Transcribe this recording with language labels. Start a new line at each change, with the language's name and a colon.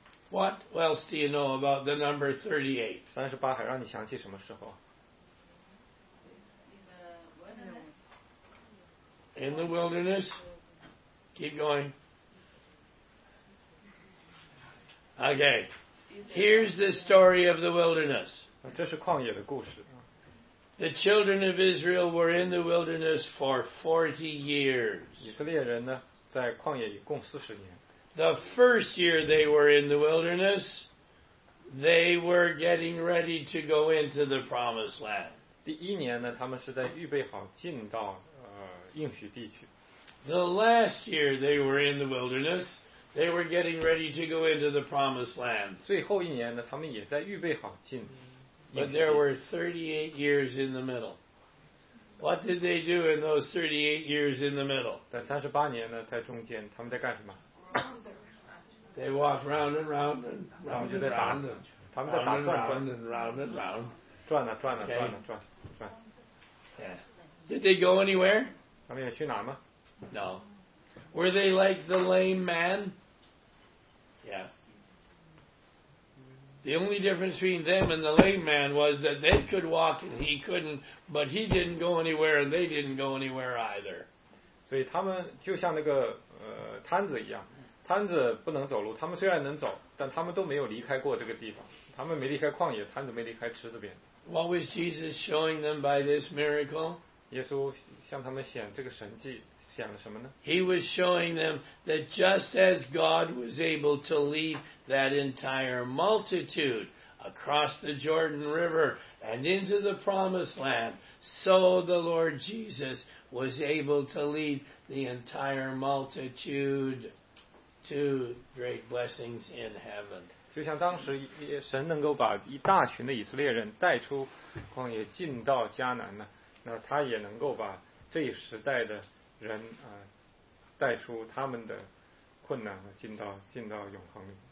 English: What else do you know about the number 38?
Chinese: 38还让你想起什么时候？
English: In the wilderness. Keep going. Okay. Here's the story of the wilderness.
Chinese: 这是旷野的故事。
English: The children of Israel were in the wilderness for 40 years.
Chinese: 以色列人呢，在旷野一共40年。
English: The first year they were in the wilderness, they were getting ready to go into the promised land.
Chinese: 第一年呢，他们是在预备好进到应许地区。
English: The last year they were in the wilderness,They were getting ready to go into the promised land.
Chinese: 最后一年呢，他们也在预备好进。
English: But there were 38 years in the middle. What did they do in those 38 years in the middle?
Chinese: 在38年呢，在中间，他们在干什么？
English: They walked round and round and round and round.
Chinese: 他们在打转转。
English: Round and round and round.
Chinese: 转了转了转了转转。
English: Yeah. Did they go anywhere?
Chinese: 他们也去哪吗？
English: No. Were they like the lame man? Yeah. The only difference between them and the lame man was that they could walk and he couldn't, but he didn't go anywhere and they didn't go anywhere either.
Chinese: 所以他们就像那个摊子一样，摊子不能走路，他们虽然能走，但他们都没有离开过这个地方，他们没离开旷野，摊子没离开池子边。
English: What was Jesus showing them by this miracle?
Chinese: 耶稣向他们显这个神迹，显了什么呢？
English: He was showing them that just as God was able to lead that entire multitude across the Jordan River and into the Promised Land, so the Lord Jesus was able to lead the entire multitude to great blessings in heaven.
Chinese: 就像当时神能够把一大群的以色列人带出旷野进到迦南呢，那他也能够把这一时代的人啊带出他们的困难进到永恒里。